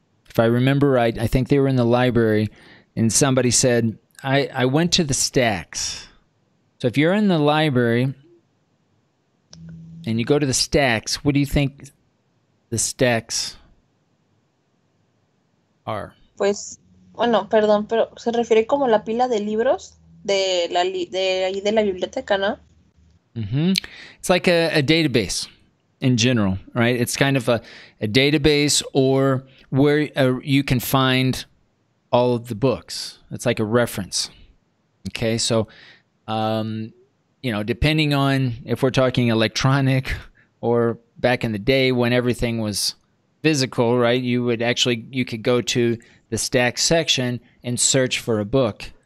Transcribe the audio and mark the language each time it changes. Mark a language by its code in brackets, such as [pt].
[en] If I remember right, I think they were in the library and somebody said, I went to the stacks. So if you're in the library and you go to the stacks, what do you think the stacks are? [es] Pues, bueno, perdón, pero se refiere como la pila de libros de la biblioteca, ¿no? [en] Mm-hmm. It's like a database in general, right? It's kind of a database or where you can find all of the books. It's like a reference, okay? So, you know, depending on if we're talking electronic or back in the day when everything was physical, right, you could go to the stack section and search for a book.